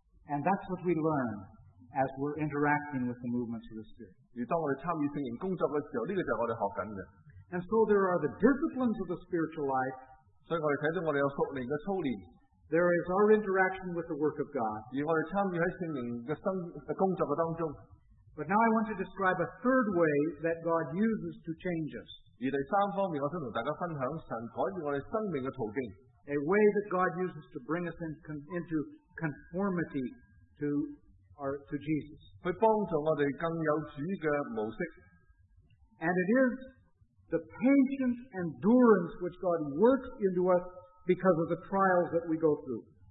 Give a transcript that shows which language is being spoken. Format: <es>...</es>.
<en>And that's what we learn as we're interacting with the movements of the Spirit.</en> <zh>而当我们参与圣灵工作的时候，这个就是我们学紧的。</zh> <en>And so there are the disciplines of the spiritual life.</en> <zh>所以我们看到我们有属灵的操练。</zh> <en>There is our interaction with the work of God.</en> <zh>而我们参与在圣灵的工作当中。</zh> <en>But now I want to describe a third way that God uses to change us.</en> <zh>而第三方面，我想同大家分享神改变我们生命的途径。</zh> <en>A way that God uses to bring us into conformity to to Jesus.</en> <zh>去帮助我们更有主的模式。</zh> <en>And it is the patient endurance which God works into us because of the trials that we go through.</en>